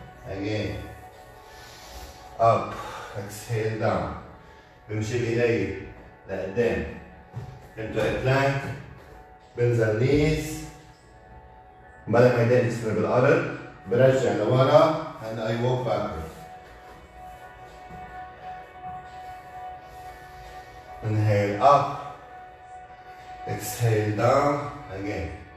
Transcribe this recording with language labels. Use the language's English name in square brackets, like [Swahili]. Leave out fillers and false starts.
[English] Again, up, exhale down. [Arabic] بمشي بإيدي لقدام. [English] Into a plank, [Arabic] بنزل [English] knees. [Arabic] بدل ما إيدي تستمر بالأرض، برجع لورا [English] and I walk backward. Inhale up, exhale down again.